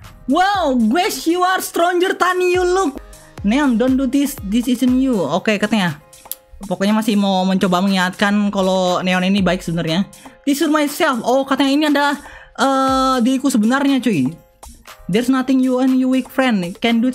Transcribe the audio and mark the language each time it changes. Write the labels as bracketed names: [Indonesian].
[English] Wow, wish you are stronger than you look. Neon, don't do this. This isn't you. [Indonesian] Oke, katanya. Pokoknya masih mau mencoba mengingatkan kalau Neon ini baik sebenarnya. [English] This is myself. [Indonesian] Oh, katanya ini adalah diriku sebenarnya, cuy. [English] There's nothing you and your weak friend can do.